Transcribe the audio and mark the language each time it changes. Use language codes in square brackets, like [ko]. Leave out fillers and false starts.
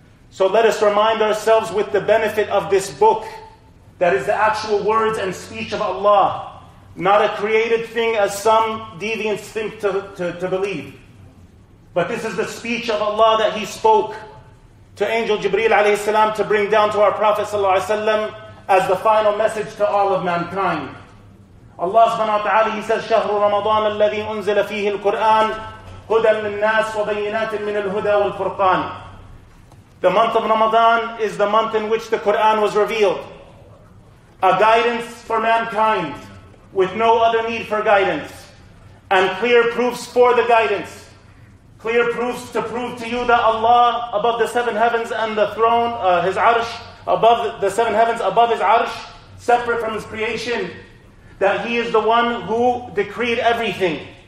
[en] So let us remind ourselves with the benefit of this book, that is the actual words and speech of Allah, not a created thing as some deviants think to believe. But this is the speech of Allah that He spoke to Angel Jibreel alayhi salam to bring down to our Prophet sallallahu alayhi wasallam as the final message to all of mankind. Allah subhanahu wa ta'ala, He says, [ar] شَهْرُ رَمَضَانَ الَّذِي أُنزِلَ فِيهِ الْقُرْآنِ هُدًى لِلنَّاسِ وَبَيِّنَاتٍ مِّنَ الْهُدَى وَالْفُرْقَانِ. [en] The month of Ramadan is the month in which the Qur'an was revealed. A guidance for mankind, with no other need for guidance. And clear proofs for the guidance. Clear proofs to prove to you that Allah, above the seven heavens and the throne, His arsh, above the seven heavens, above His arsh, separate from His creation, that He is the one who decreed everything.